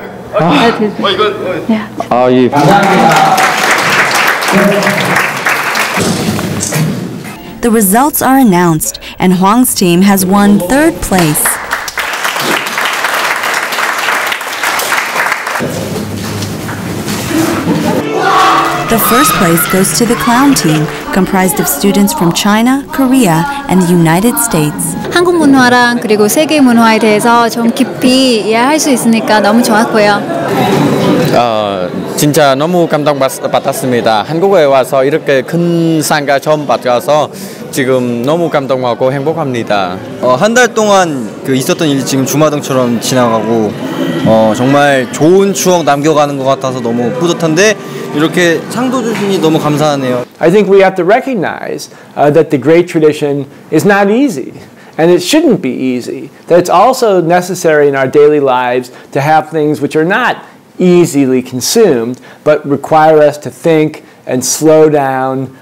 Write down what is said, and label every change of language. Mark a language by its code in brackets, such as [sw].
[en] The results are announced, and Hwang's team has won third place. The first place goes to the clown team, comprised of students from China, Korea, and the United States. [ko] 한국 문화랑 그리고 세계 문화에 대해서 좀 깊이 이해할 수 있으니까 너무 좋았고요. 진짜 너무 감동받았습니다. 한국에 와서 이렇게 큰 상가 처음 받아서 지금 너무 감동하고 행복합니다. 한 달 동안 그 있었던 일이 지금 주마등처럼 지나가고 정말 좋은 추억 남겨가는 것 같아서 너무 뿌듯한데 이렇게 상도 주시니 너무 감사하네요. [en] I think we have to recognize that the great tradition is not easy. And it shouldn't be easy. That it's also necessary in our daily lives to have things which are not easily consumed, but require us to think and slow down.